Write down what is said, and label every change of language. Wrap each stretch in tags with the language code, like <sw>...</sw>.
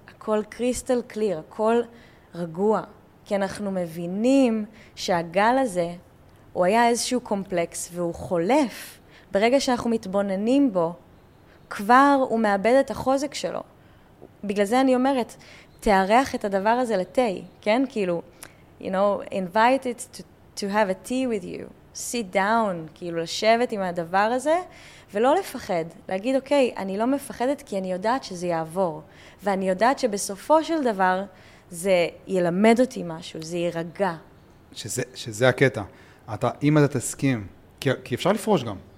<he>הכל קריסטל קליר, הכל רגוע. כי אנחנו מבינים שהגל הזה, הוא היה איזשהו קומפלקס, והוא חולף. ברגע שאנחנו מתבוננים בו, כבר הוא מאבד את החוזק שלו. בגלל זה אני אומרת, תארח את הדבר הזה לתה, כן?</he> <en>כאילו, you know, invite it to have a tea with you.</en> <he>Sit down, כאילו, לשבת עם הדבר הזה, ולא לפחד. להגיד, אוקיי, אני לא מפחדת כי אני יודעת שזה יעבור. ואני יודעת שבסופו של דבר, זה ילמד אותי משהו, זה יירגע. שזה הקטע. אתה, אם אתה תסכים, כי אפשר לפרוש גם.</he>